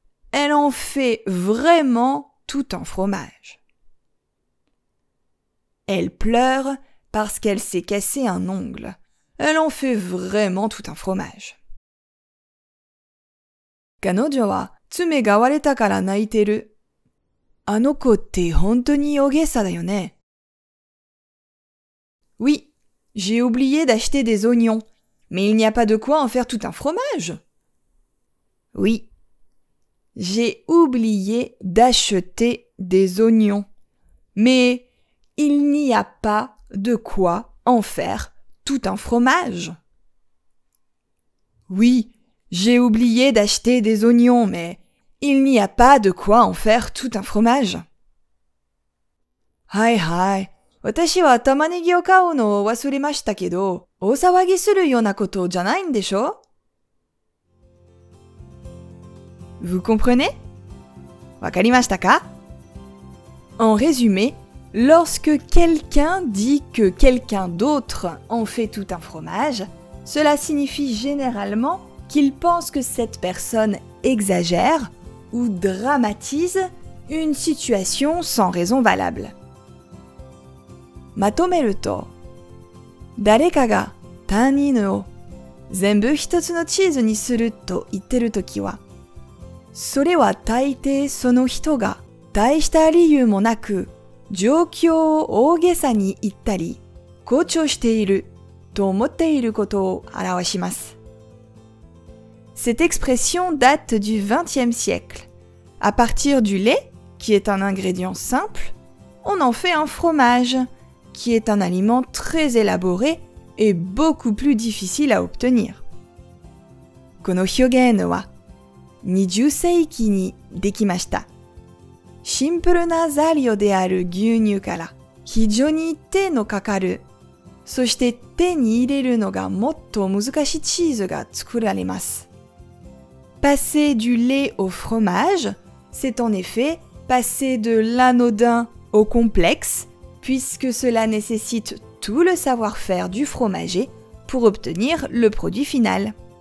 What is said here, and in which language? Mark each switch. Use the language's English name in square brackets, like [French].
[French] Elle en fait vraiment tout un fromage. Elle pleure parce qu'elle s'est cassé un ongle. Elle en fait vraiment tout un fromage. Kanojoa. [Japanese] 爪が割れたから泣いてる。あの子って本当に大げさだよね。 [French] Oui, j'ai oublié d'acheter des oignons, mais il n'y a pas de quoi en faire tout un fromage. Oui, j'ai oublié d'acheter des oignons, mais il n'y a pas de quoi en faire tout un fromage. Oui, j'ai oublié d'acheter des oignons, maisIl n'y a pas de quoi en faire tout un fromage. [Japanese] はいはい。私は玉ねぎを買うのを忘れましたけど、大騒ぎするようなことじゃないんでしょ? [French] Vous comprenez? [Japanese] わかりましたか? [French] En résumé, Lorsque quelqu'un dit que quelqu'un d'autre en fait tout un fromage, cela signifie généralement qu'il pense que cette personne exagère ou dramatise une situation sans raison valable. [Japanese] まとめると 誰かが他人のを全部一つのチーズにすると言ってる時は、それは大抵その人が大した理由もなく状況を大げさに言ったり誇張していると思っていることを表します。 [French] Cette expression date du XXe siècle. À partir du lait, qui est un ingrédient simple, on en fait un fromage, qui est un aliment très élaboré et beaucoup plus difficile à obtenir. [Japanese] この表現は20世紀にできました。シンプルな材料である牛乳から非常に手のかかる、そして手に入れるのがもっと難しいチーズが作られます。 [French] Passer du lait au fromage, c'est en effet passer de l'anodin au complexe, puisque cela nécessite tout le savoir-faire du fromager pour obtenir le produit final.